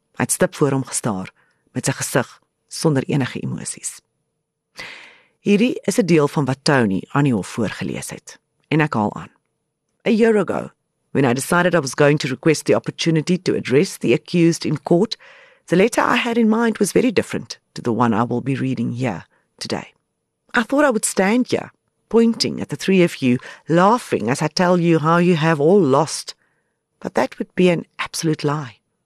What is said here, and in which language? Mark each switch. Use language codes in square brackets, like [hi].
[af] Hy het stip voor hom gestaar met sy gesig sonder enige emosies. Hierdie is 'n deel van wat Tony aan die hof voorgelees het, en ek haal aan. [en] A year ago, when I decided I was going to request the opportunity to address the accused in court, the letter I had in mind was very different to the one I will be reading here today. I thought I would stand here, pointing at the three of you, laughing as I tell you how you have all lost, but that would be an absolute lie.